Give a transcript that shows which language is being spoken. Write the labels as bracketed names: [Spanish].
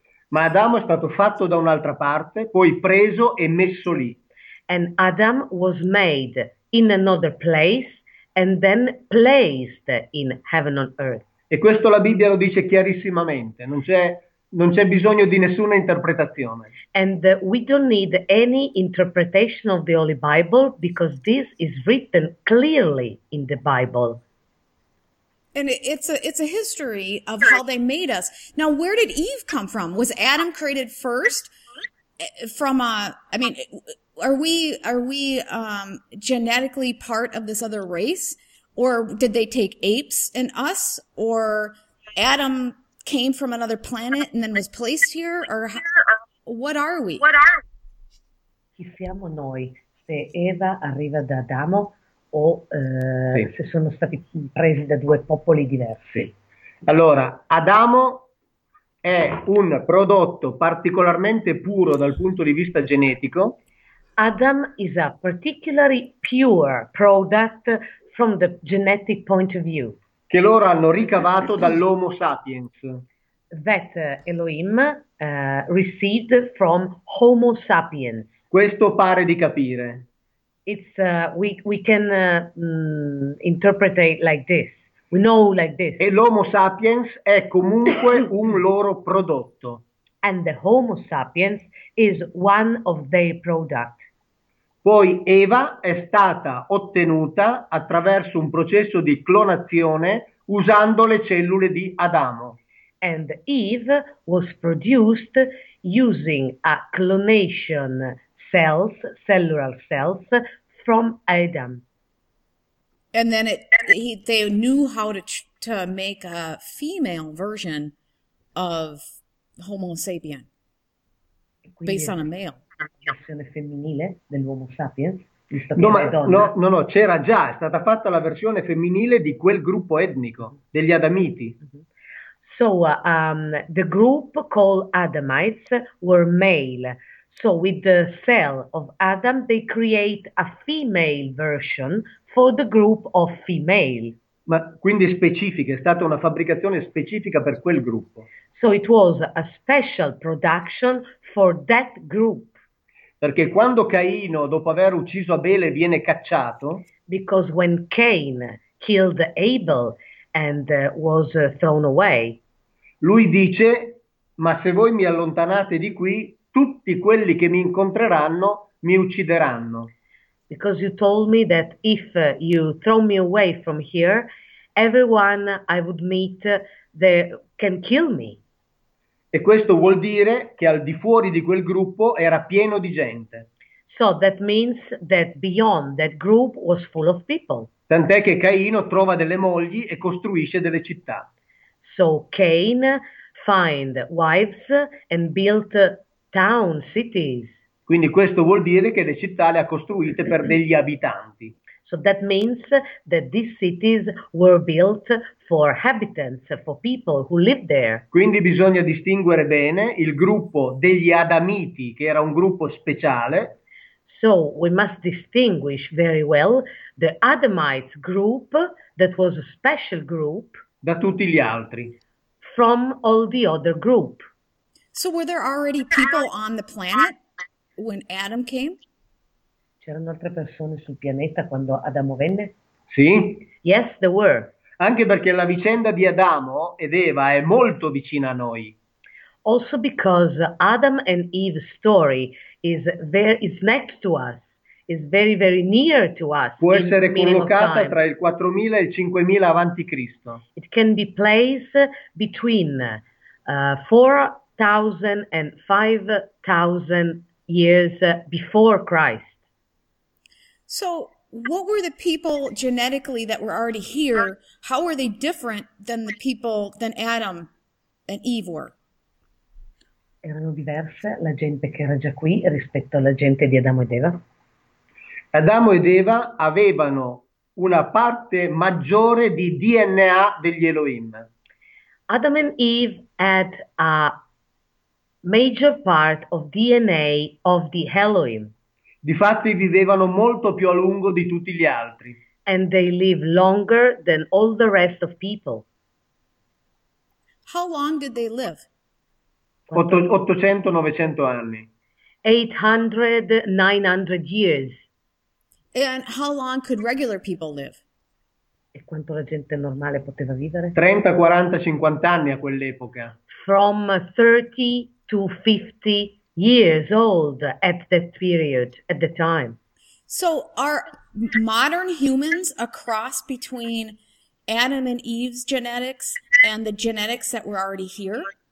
[Italian] Ma Adamo è stato fatto da un'altra parte, poi preso e messo lì. [English] And Adam was made in another place and then placed in heaven on earth. [Italian] E questo la Bibbia lo dice chiarissimamente, non c'è bisogno di nessuna interpretazione. [English] And we don't need any interpretation of the Holy Bible because this is written clearly in the Bible. And it's a history of how they made us. Now, where did Eve come from? Was Adam created first from a, I mean, are we genetically part of this other race? Or did they take apes and us? Or Adam came from another planet and then was placed here? Or what are we? [Italian] Chi siamo noi? Se Eva arriva da Adamo o Sì. se sono stati presi da due popoli diversi? Allora, Adamo è un prodotto particolarmente puro dal punto di vista genetico. [English] Adam is a particularly pure product from the genetic point of view. [Italian] Che loro hanno ricavato dall'Homo sapiens. [English] That Elohim received from Homo sapiens. [Italian] Questo pare di capire. [English] It's we can interpret it like this. We know like [Italian] E l'Homo sapiens è comunque un loro prodotto. [English] this. And the Homo sapiens is one of their products. [Italian] Poi Eva è stata ottenuta attraverso un processo di clonazione usando le cellule di Adamo. [English] And Eve was produced using a clonation cellular cells from Adam. And then they knew how to make a female version of Homo sapien [Italian] Quindi [English] based on a [Italian] esiste [English] male. [Italian] una versione femminile dell'Homo sapiens, visto No, che lei è ma donna? no, no, no, c'era già, è stata fatta la versione femminile di quel gruppo etnico, degli Adamiti. [English] So the group called Adamites were male. So with the cell of Adam, they create a female version for the group of female. [Italian] Ma quindi specifica, è stata una fabbricazione specifica per quel gruppo. [English] So it was a special production for that group. [Italian] Perché quando Caino, dopo aver ucciso Abele, viene cacciato, [English] Because when Cain killed Abel and was thrown away, [Italian] lui dice: ma se voi mi allontanate di qui, tutti quelli che mi incontreranno mi uccideranno. [English] Because you told me that if you throw me away from here, everyone I would meet there can kill me. [Italian] E questo vuol dire che al di fuori di quel gruppo era pieno di gente. [English] So that means that beyond that group was full of people. [Italian] Tant'è che Caino trova delle mogli e costruisce delle città. [English] So Cain find wives and built town cities. [Italian] Quindi questo vuol dire che le città le ha costruite per degli abitanti. [English] So that means that these cities were built for habitants, for people who live there. [Italian] Quindi bisogna distinguere bene il gruppo degli Adamiti, che era un gruppo speciale. [English] So we must distinguish very well the Adamite group, that was a special group, [Italian] Da tutti gli altri. [English] from all the other group. So were there already people on the planet when Adam came? [Italian] C'erano altre persone sul pianeta quando Adamo venne? Sì. [English] Yes, there were. [Italian] Anche perché la vicenda di Adamo ed Eva è molto vicina a noi. [English] Also because Adam and Eve's story is next to us, is very, very near to us [Italian] Può essere [English] meaning of [Italian] collocata [English] time. [Italian] tra il 4000 e il 5000 avanti Cristo. [English] It can be placed between 4,000 and 5,000 years before Christ. So, what were the people genetically that were already here? How were they different than the people than Adam and Eve were? [Italian] Erano diverse la gente che era già qui rispetto alla gente di Adamo ed Adamo ed Eva avevano una parte maggiore di DNA degli Elohim. Eva. [English] Adam and Eve had a major part of DNA of the Elohim. [Italian] Difatti vivevano molto più a lungo di tutti gli altri. [English] And they live longer than all the rest of people. How long did they live? [Italian] Quanto? 800-900 anni. [English] 800, 900 years. And how long could regular people live? [Italian] E quanto la gente normale poteva vivere? 30, 40, 50 anni a quell'epoca. [English] From 30 to 50 years old at that period, at the time. So, are modern humans a cross between Adam and Eve's genetics and the genetics that were already here?